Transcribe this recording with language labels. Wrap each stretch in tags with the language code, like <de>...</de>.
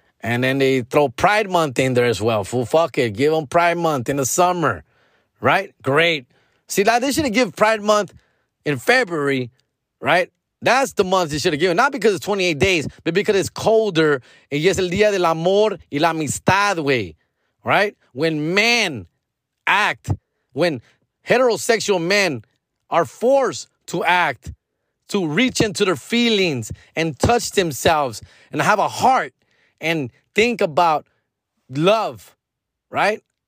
<en>And then they throw Pride Month in there as well. Fool, fuck it. Give them Pride Month in the summer, right? Great. See, now they should have given Pride Month in February, right? That's the month they should have given. Not because it's 28 days, but because it's colder.</en> <es>Y es el día del amor y la amistad, güey.</es> <en>Right? When men act, when heterosexual men are forced to act, to reach into their feelings and touch themselves and have a heart and think about love, right?</en>